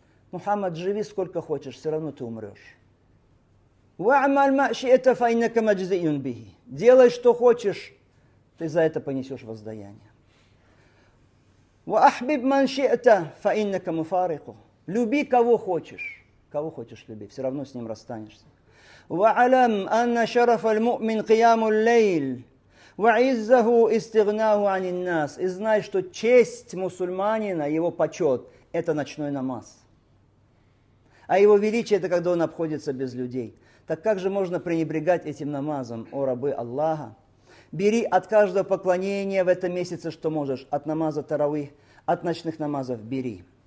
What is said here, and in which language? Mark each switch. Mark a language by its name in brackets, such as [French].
[Russian] Мухаммад, живи сколько хочешь, все равно ты умрешь. [Arabic] «Ва'маль ма ши'та фа иннака маджзиюн бихи». [Russian] Делай, что хочешь, ты за это понесешь воздаяние. [Arabic] «Ва'ахбиб ман ши'та фа иннака муфариху». [Russian] Люби, кого хочешь. Кого хочешь люби, все равно с ним расстанешься. [Arabic] وعلم أن شرف المؤمن قيام الليل وعزه استغناه عن الناس. [Russian] И знай, что честь мусульманина, его почет, это ночной намаз. А его величие, это когда он обходится без людей. Так как же можно пренебрегать этим намазом, о рабы Аллаха? Бери от каждого поклонения в этом месяце, что можешь. От намаза таравих, от ночных намазов бери.